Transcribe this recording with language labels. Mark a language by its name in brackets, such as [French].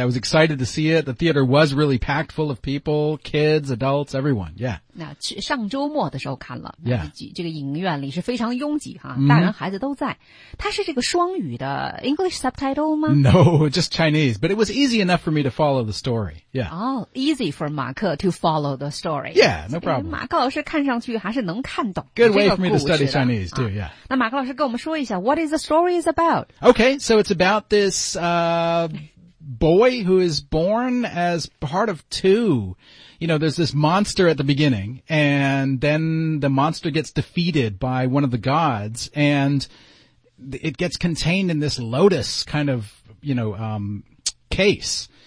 [English] I was excited to see it. The theater was really packed full of people, kids, adults, everyone. Yeah. [Chinese] 那上周末的时候看了。 [English] Yeah. [Chinese] 这个影院里是非常拥挤哈、大人孩子都在。它是这个双语的 [English] English subtitle [Chinese] 吗 [English] No, just Chinese. But it was easy enough for me to follow the story. Yeah. Oh, easy for 马克 to follow the story. Yeah, no problem. [Chinese] 马克老师看上去还是能看懂这个故事 [English] 的。Good way for me to study Chinese too, yeah.、 [Chinese] 那马克老师跟我们说一下 [English] what is the story is about? Okay. So it's about this, boy who is born as part of two. You know, there's this monster at the beginning, and then the monster gets defeated by one of the gods, and it gets contained in this lotus kind of, you know, case.